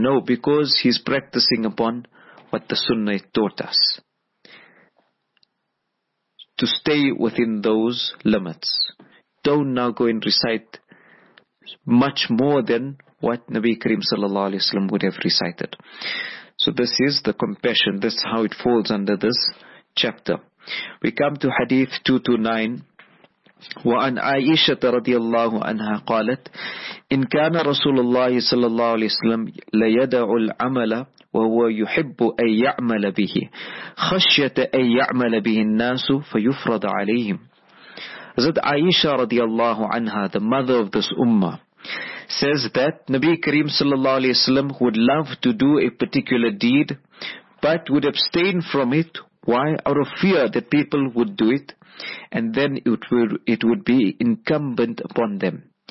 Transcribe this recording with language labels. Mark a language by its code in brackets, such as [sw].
[en] No, because he's practicing upon what the Sunnah taught us, to stay within those limits. Don't now go and recite much more than what Nabi Karim sallallahu alayhi wa sallam would have recited. So this is the compassion. This is how it falls under this chapter. We come to Hadith 229. [ar] وعن عائشة رضي الله عنها قالت إن كان رسول الله صلى الله عليه وسلم ليدع العمل وهو يحب أن يعمل به خشية أن يعمل به الناس فيفرض عليهم. [en] حضرت عائشة رضي الله عنها, the mother of this ummah, says that Nabi Kareem صلى الله عليه وسلم would love to do a particular deed but would abstain from it. Why? Out of fear that people would do it, and then it would be incumbent upon them.